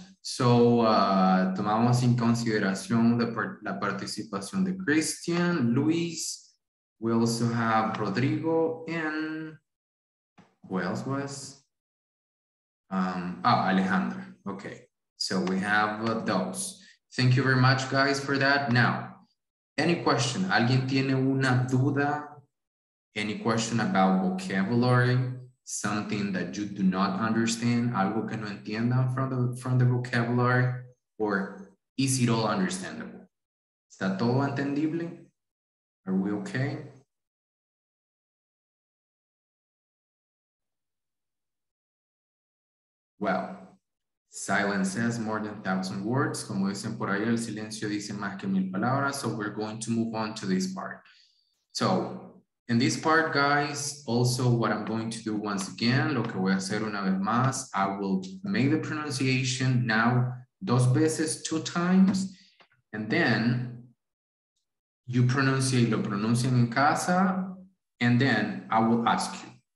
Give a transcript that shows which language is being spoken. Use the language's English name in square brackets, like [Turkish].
[Spanish] So, tomamos en consideración la participación de Christian, Luis. [English] We also have Rodrigo and who else was? Alejandra. Okay. So we have those. Thank you very much, guys, for that. Now, any question? [Spanish] ¿Alguien tiene una duda? [English] Any question about vocabulary? Something that you do not understand, [Spanish] algo que no entienda [English] from the vocabulary, or is it all understandable? [Spanish] ¿Está todo entendible? [English] Are we okay? Well, silence says more than 1,000 words. [Spanish] Como dicen por ahí, el silencio dice más que mil palabras. [English] So we're going to move on to this part. So, in this part, guys, also what I'm going to do once again, [Spanish] lo que voy a hacer una vez más, [English] I will make the pronunciation now [Spanish] dos veces, [English] two times, and then you pronounce it, [Spanish] lo pronuncian en casa, [English] and then I will ask you.